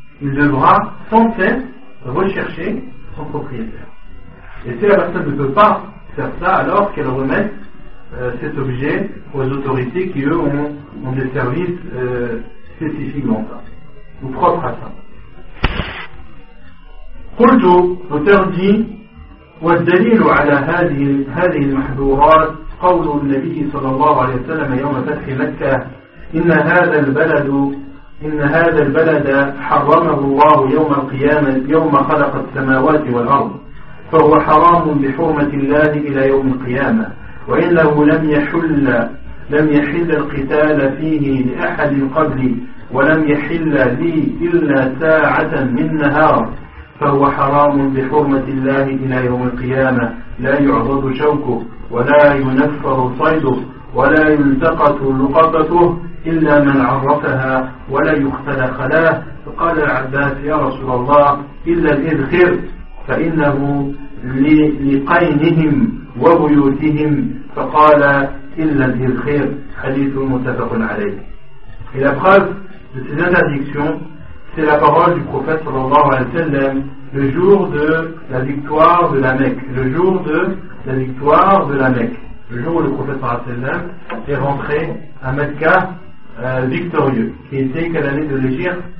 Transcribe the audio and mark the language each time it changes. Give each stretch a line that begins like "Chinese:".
French: Il devra sans cesse rechercher son propriétaire. Et si la personne ne peut pas faire ça, alors qu'elle remette cet objet aux autorités qui, eux, ont des services spécifiquement ça, ou propres à ça.
Arabic: Khuldo,
French: l'auteur dit:
Arabic: والدليل على هذه المحظورات قول النبي صلى الله عليه وسلم يوم فتح مكة إن هذا البلد إن هذا البلد حرمه الله يوم القيامة يوم خلق السماوات والأرض، فهو حرام بحرمة الله إلى يوم القيامة، وإنه لم يحل القتال فيه لأحد قبلي، ولم يحل لي إلا ساعة من نهار، فهو حرام بحرمة الله إلى يوم القيامة، لا يعضد شوكه ولا ينفر صيده ولا يلتقط لقطته إلا من عرفها ولا يختل خلاه. فقال العباس: يا رسول الله، إلا الإذخر، فإنه لقينهم وبيوتهم. فقال: إلا الإذخر. حديث متفق عليه. إلى بخاف
French: de ces interdictions, c'est la parole du prophète sallallahu alayhi wa sallam le jour de la victoire de la Mecque, le jour de la victoire de la Mecque, le jour où le prophète sallallahu alayhi wa sallam est rentré à Mecca victorieux, qui était quelle année de l'Hégire?